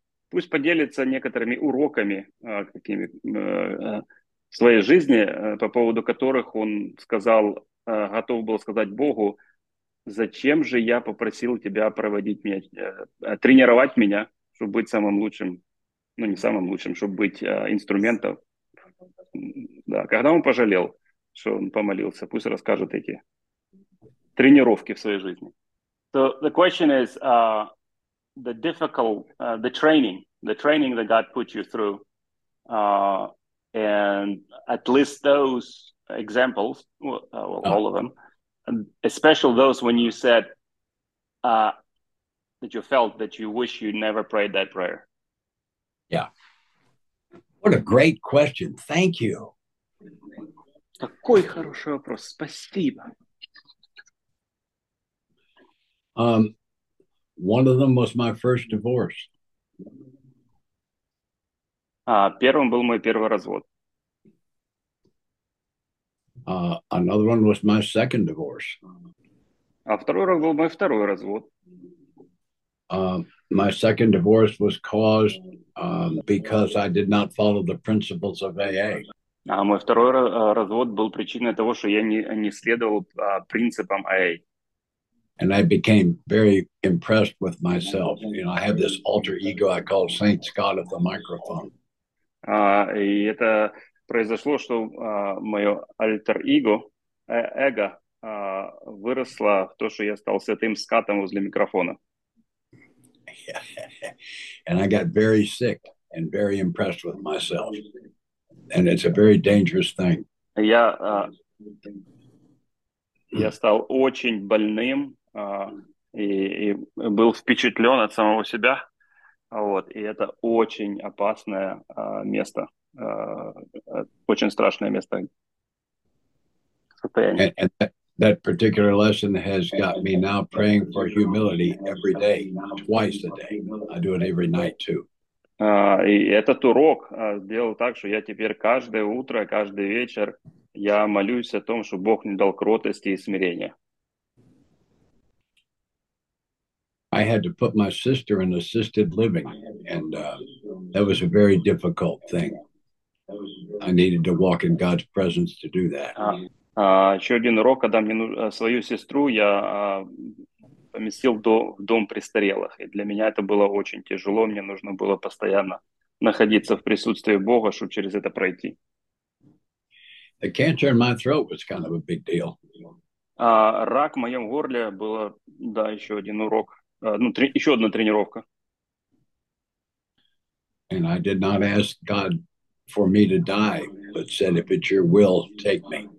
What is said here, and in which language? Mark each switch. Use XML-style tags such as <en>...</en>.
<ru>Пусть поделится некоторыми уроками какими, в своей жизни, по поводу которых он сказал, готов был сказать Богу, зачем же я попросил тебя проводить меня, тренировать меня, чтобы быть самым лучшим, ну не самым лучшим, чтобы быть инструментом. Да, когда он пожалел, что он помолился, пусть расскажет эти тренировки в своей жизни.</ru> <en>So the question is, the difficult, the training that God put you through, and at least those examples, all of them, and especially those when you said that you felt that you wish you never prayed that prayer. Yeah. What a great question. Thank you.</en> <ru>Какой хороший вопрос. Спасибо.</ru> <en>One of them was my first divorce.</en> <ru>Первым был мой первый развод.</ru> <en>Another one was my second divorce.</en> <ru>А второй был мой второй развод.</ru> <en>My second divorce was caused because I did not follow the principles of AA.</en> <ru>А мой второй развод был причиной того, что я не следовал принципам AA.</ru> <en>And I became very impressed with myself. You know, I have this alter ego I call Saint Scott of the microphone.</en> <ru>И это произошло, что мое альтер эго, эго выросло в то, что я стал святым Скоттом возле микрофона.</ru> <en>And I got very sick and very impressed with myself. And it's a very dangerous thing.</en> <ru>Я стал очень больным и был впечатлен от самого себя. Вот, и это очень опасное место, очень страшное место.</ru> <en>That particular lesson has got me now praying for humility every day, twice a day. I do it every night too.</en> <ru>И этот урок сделал так, что я теперь каждое утро, каждый вечер я молюсь о том, что Бог мне дал кротости и смирения.</ru> <en>I had to put my sister in assisted living, and that was a very difficult thing. I needed to walk in God's presence to do that.</en> <ru>Еще один урок, когда мне свою сестру я поместил в дом престарелых. И для меня это было очень тяжело. Мне нужно было постоянно находиться в присутствии Бога, чтобы через это пройти.</ru> <en>The cancer in my throat was kind of a big deal.</en> <ru>Рак в моем горле был, да, еще один урок. Еще одна тренировка.</ru> <en>And I did not ask God for me to die, but said, if it's your will, take me.</en>